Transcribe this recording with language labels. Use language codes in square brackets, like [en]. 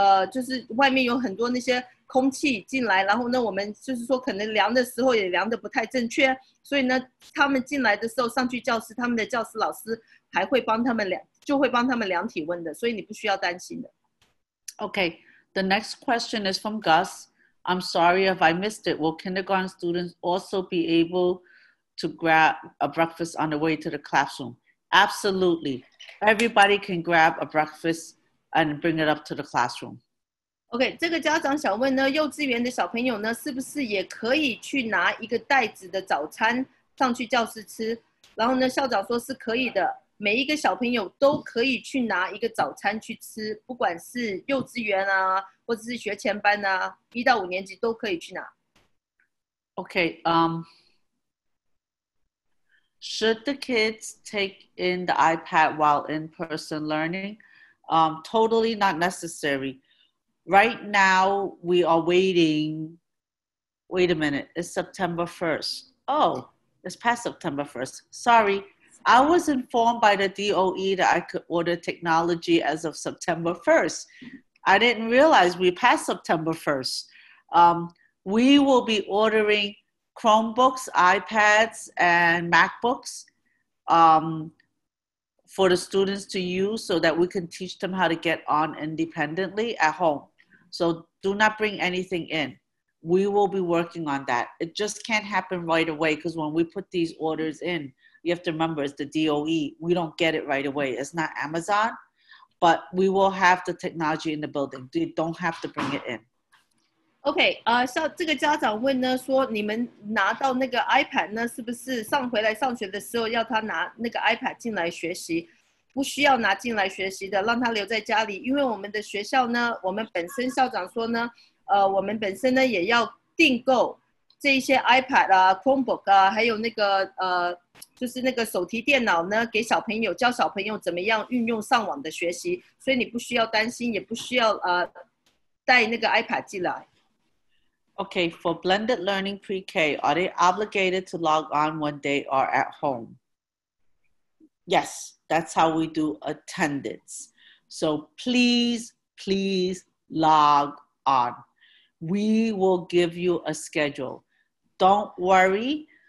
[zh] 就是外面有很多那些空气进来，然后呢我们就是说可能量的时候也量的不太正确，所以呢他们进来的时候上去教室，他们的教室老师还会帮他们量，就会帮他们量体温的，所以你不需要担心的。 [en] Okay, the next question is from Gus. I'm sorry if I missed it. Will kindergarten students also be able to grab a breakfast on the way to the classroom? Absolutely. Everybody can grab a breakfast and bring it up to the classroom. [zh] Okay, 这个家长想问呢，幼稚园的小朋友呢，是不是也可以去拿一个袋子的早餐上去教室吃？然后呢，校长说是可以的，每一个小朋友都可以去拿一个早餐去吃，不管是幼稚园啊，或者是学前班啊，一到五年级都可以去拿。 [en] Okay, should the kids take in the iPad while in-person learning? Totally not necessary. Right now, we are waiting. Wait a minute, it's September 1st. Oh, it's past September 1st. Sorry, I was informed by the DOE that I could order technology as of September 1st. I didn't realize we passed September 1st. We will be ordering Chromebooks, iPads, and MacBooks. For the students to use so that we can teach them how to get on independently at home. So do not bring anything in. We will be working on that. It just can't happen right away because when we put these orders in, you have to remember it's the DOE. We don't get it right away. It's not Amazon, but we will have the technology in the building. You don't have to bring it in. [zh] Okay, 这个家长问呢，说你们拿到那个 iPad 呢，是不是上回来上学的时候要他拿那个 iPad 进来学习，不需要拿进来学习的，让他留在家里。因为我们的学校呢，我们本身校长说呢，我们本身呢也要订购这一些 iPad 啊、Chromebook 啊，还有那个就是那个手提电脑呢，给小朋友教小朋友怎么样运用上网的学习，所以你不需要担心，也不需要带那个 iPad 进来。 [en] Okay, for blended learning pre-K, are they obligated to log on when they are at home? Yes, that's how we do attendance. So please, please log on. We will give you a schedule. Don't worry.